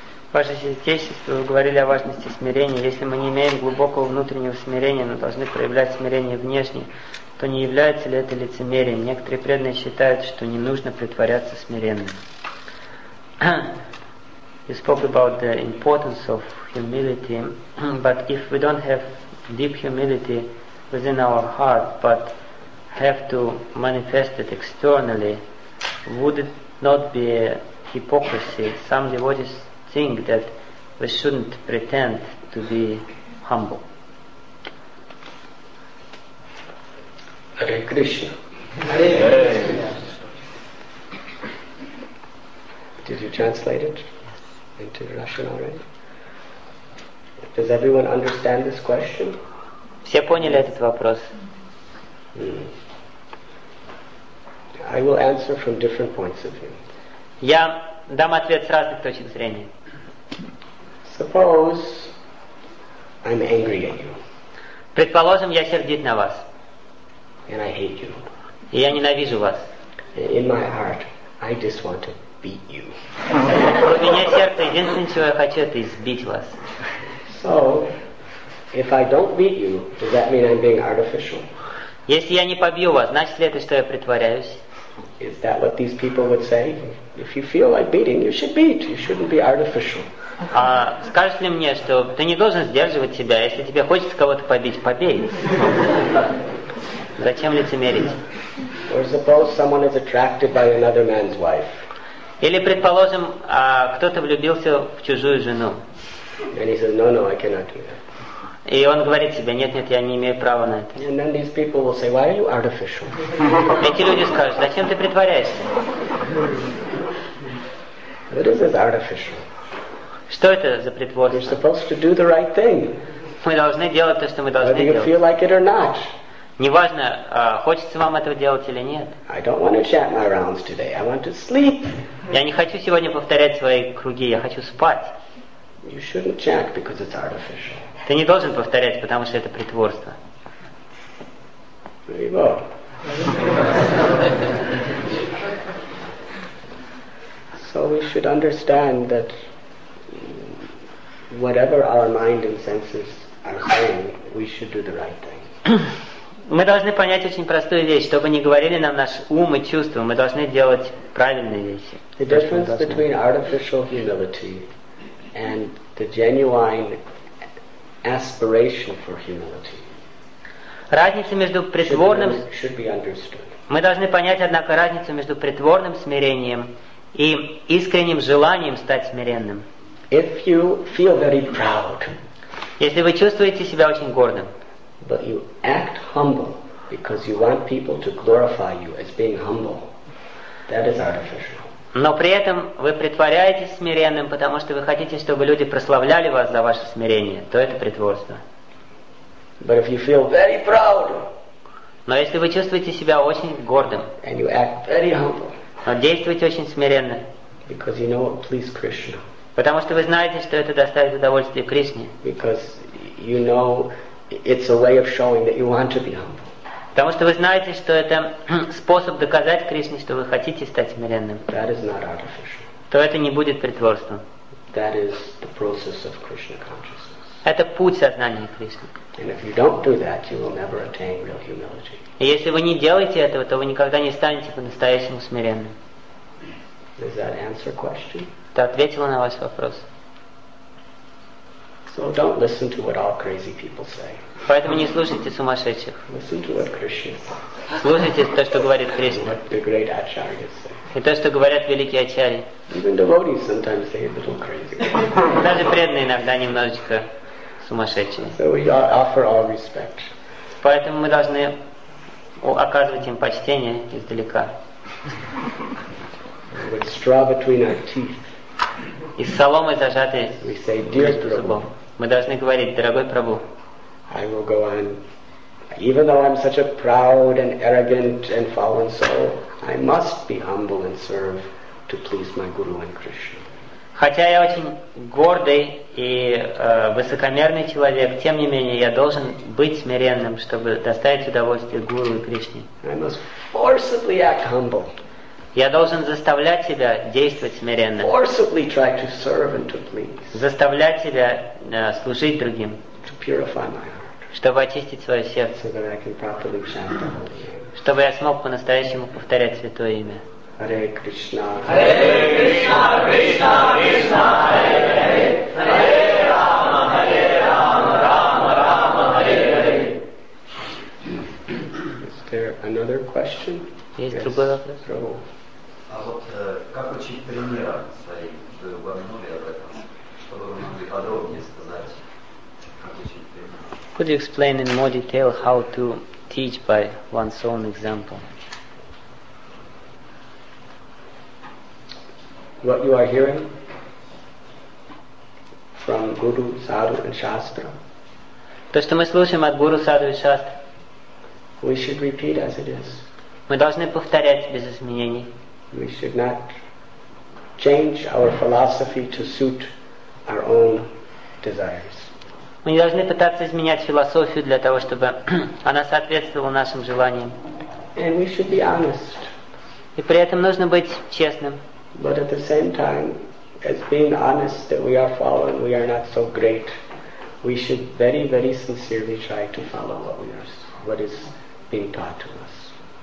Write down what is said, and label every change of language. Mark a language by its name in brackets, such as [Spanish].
[Russian] Ваше святейшество, вы говорили о важности смирения. Если мы не имеем глубокого внутреннего смирения, но должны проявлять смирение внешне, то не является ли это лицемерием? Некоторые преданные считают, что не нужно притворяться смиренным. [English] You spoke about the importance of humility, but if we don't have deep humility within our heart, but have to manifest it externally, would it not be a hypocrisy? Some devotees think that we shouldn't pretend to be humble. Hare Krishna. Hare Krishna. Did you translate it into Russian already? Does everyone understand this question? [Russian] Все поняли этот вопрос? [English] I will answer from different points of view. [Russian] Я дам ответ с разных точек зрения. [English] Suppose I'm angry at you. [Russian] Предположим, я сердит на вас. [English] And I hate you. [Russian] И я ненавижу вас. [English] In my heart, I just want to beat you. [Russian] В глубине сердца единственное, чего я хочу, это избить вас. [English] So, if I don't beat you, does that mean I'm being artificial? [Russian] Если я не побью вас, значит ли это, что я притворяюсь? [English] Is that what these people would say? If you feel like beating, you should beat. You shouldn't be artificial. [Russian] А скажешь ли мне, что ты не должен сдерживать себя, если тебе хочется кого-то побить, побей. Зачем лицемерить? [English] Or suppose someone is attracted by another man's wife. [Russian] Или предположим, кто-то влюбился в чужую жену. [English] And he says, no, I cannot do that. [Russian] И он говорит себе, нет, я не имею права на это. [English] And then these people will say, why are you artificial? [Russian] Эти люди скажут, зачем ты притворяешься? [English] What is this artificial? [Russian] Что это за притворство? [English] You're supposed to do the right thing. [Russian] Мы должны делать то, что мы должны делать. [English] Whether you feel like it or not. [Russian] Неважно, хочется вам этого делать или нет. [English] I don't want to chant my rounds today. I want to sleep. [Russian] Я не хочу сегодня повторять свои круги, я хочу спать. [English] You shouldn't chant because it's artificial. [Russian] Ты не должен повторять, потому что это притворство. [English] So we should understand that whatever our mind and senses are saying, we should do the right thing. [Russian] Мы должны понять очень простую вещь. Чтобы не говорили нам наш ум и чувства, мы должны делать правильные вещи. [English] The difference between artificial humility and the genuine aspiration for humility. [Russian] Разница между притворным... Мы должны понять, однако, разницу между притворным смирением и искренним желанием стать смиренным. [English] If you feel very proud, [Russian] если вы чувствуете себя очень гордым, [English] but you act humble because you want people to glorify you as being humble, that is artificial. [Russian] Но при этом вы притворяетесь смиренным, потому что вы хотите, чтобы люди прославляли вас за ваше смирение, то это притворство. [English] But if you feel very proud, [Russian] но если вы чувствуете себя очень гордым, [English] and you act very humble, [Russian] но действуете очень смиренно, [English] because you know it pleases Krishna, [Russian] потому что вы знаете, что это доставит удовольствие Кришне, [English] because you know it's a way of showing that you want to be humble, [Russian] потому что вы знаете, что это способ доказать Кришне, что вы хотите стать смиренным, [English] that is not artificial, [Russian] то это не будет притворством. [English] That is the process of Krishna consciousness. [Russian] Это путь сознания Кришны. [English] And if you don't do that, you will never attain real humility. [Russian] И если вы не делаете этого, то вы никогда не станете по-настоящему смиренным. [English] Does that answer question? [Russian] Это ответило на ваш вопрос. [English] So don't listen to what all crazy people say. [Russian] Поэтому не слушайте сумасшедших. [English] Listen to what Krishna says. [Russian] Слушайте то, что говорит Кришна. [English] And what the great acharyas say. [Russian] И то, что говорят великие ачарьи. [English] Even devotees sometimes say a little crazy. [Russian] Даже преданные иногда немножечко сумасшедшие. [English] So we offer all respect. [Russian] Поэтому мы должны оказывать им почтение издалека. [English] With straw between our teeth. [Russian] И с соломой зажатой. [English] We say, dear Prabhu. [Russian] Мы должны говорить, дорогой Прабху. [English] I will go on, even though I'm such a proud and arrogant and fallen soul, I must be humble and serve to please my Guru and Krishna. [Russian] Хотя я очень гордый и высокомерный человек, тем не менее я должен быть смиренным, чтобы доставить удовольствие Гуру и Кришне. [English] I must forcibly act humble. [Russian] Я должен заставлять себя действовать смиренно. [English] Forcibly try to serve and to please. [Russian] Заставлять себя служить другим. [English] To purify my heart. [Russian] Чтобы очистить свое сердце. [English] So that I can properly chant the holy name. [Russian] Чтобы я смог по-настоящему повторять святое имя. [English] Hare Krishna, Hare Krishna, Krishna Krishna, Hare Hare, Hare Rama, Hare Rama, Rama Rama, Hare Hare. Is there another question? [Russian] Есть другой вопрос? А вот как учить примера своей, что вы упомянули об этом, чтобы вы могли подробнее сказать, как учить примера? [English] Could you explain in more detail how to teach by one's own example? What you are hearing from Guru, Sadhu, and Shastra. [Russian] То, что мы слушаем от Гуру, Садху и Шастры. [English] We should repeat as it is. [Russian] Мы должны повторять без изменений. [English] We should not change our philosophy to suit our own desires. [Russian] Мы не должны пытаться изменять философию для того, чтобы она соответствовала нашим желаниям. [English] And we should be honest. [Russian] И при этом нужно быть честным. [English] But at the same time, as being honest that we are fallen, we are not so great, we should very, very sincerely try to follow what we are, what is being taught to us.